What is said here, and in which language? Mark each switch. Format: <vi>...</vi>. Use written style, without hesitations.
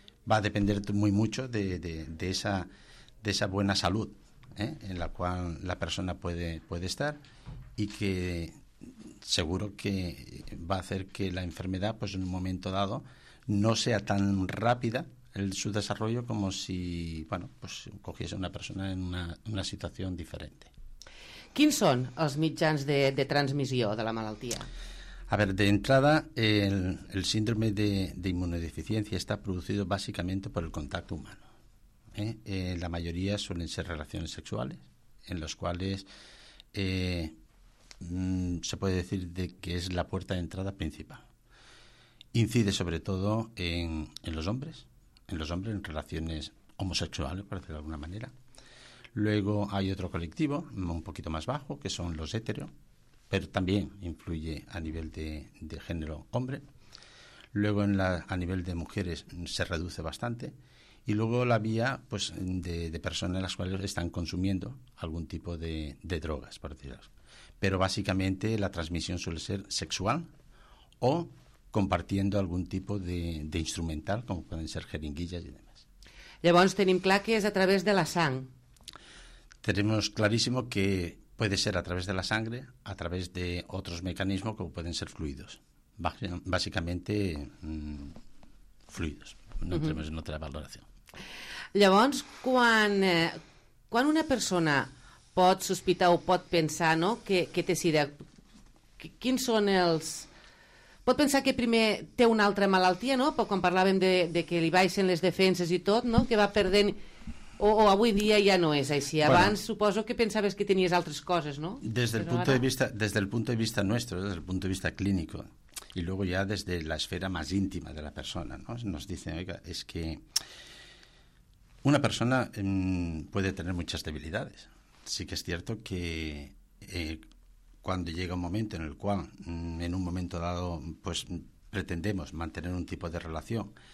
<es>Va a depender muy mucho de esa buena salud, en la cual la persona puede estar, y que seguro que va a hacer que la enfermedad, pues en un momento dado, no sea tan rápida su desarrollo como si, bueno, pues cogiese una persona en una situación diferente.</es> <ca>¿Quins són els mitjans de transmissió de la malaltia?</ca> <es>A ver, de entrada, el síndrome de inmunodeficiencia está producido básicamente por el contacto humano. La mayoría suelen ser relaciones sexuales, en las cuales se puede decir de que es la puerta de entrada principal. Incide sobre todo en los hombres, en relaciones homosexuales, por decirlo de alguna manera. Luego hay otro colectivo, un poquito más bajo, que son los héteros, pero también influye a nivel de género hombre. Luego a nivel de mujeres se reduce bastante. Y luego la vía pues de personas las cuales están consumiendo algún tipo de drogas, por decirlo. Pero básicamente la transmisión suele ser sexual o compartiendo algún tipo de instrumental, como pueden ser jeringuillas y demás.</es> <ca>Llavors tenim clar que és a través de la sang.</ca> <es>Tenemos clarísimo que puede ser a través de la sangre, a través de otros mecanismos como pueden ser fluidos. Básicamente, fluidos. No entremos en otra valoración.</es> <ca>Llavors, quan una persona pot sospitar o pot pensar, no, que té sida, quins són els... Pot pensar que primer té una altra malaltia, no? Però quan parlàvem de que li baixen les defenses i tot, no? Que va perdent... O avui dia ja no és així. Abans, bueno, suposo que pensaves que tenies altres coses, no? Des del punt de vista clínic, i luego ja des de l'esfera més íntima de la persona, no?</ca> <es>Nos dicen, oiga, es que una persona puede tener muchas debilidades. Sí que es cierto que cuando llega un momento en el cual, en un momento dado, pues pretendemos mantener un tipo de relación</es>